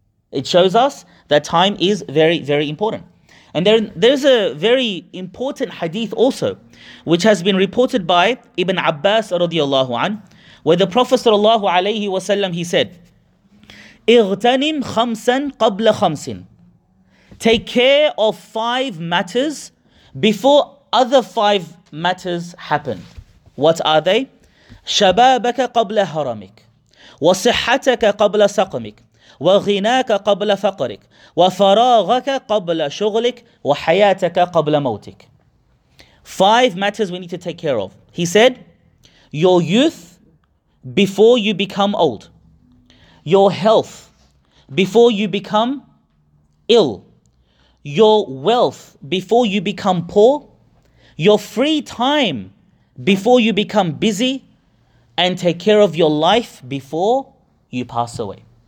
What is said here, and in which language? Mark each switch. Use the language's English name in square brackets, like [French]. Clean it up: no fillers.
[English] It shows us that time is very, very important. And there's a very important hadith also, which has been reported by Ibn Abbas radiallahu anh, where the Prophet sallallahu alayhi wasallam, he said, [Arabic] اغتنم خمسا قبل خمس. [English] Take care of five matters before other five matters happen. What are they? [Arabic] شبابك قبل هرمك وصحتك قبل سقمك وغناك قبل فقرك وفراغك قبل شغلك وحياتك قبل موتك. [English] Five matters we need to take care of. He said, your youth before you become old, your health before you become ill, your wealth before you become poor, your free time before you become busy, and take care of your life before you pass away.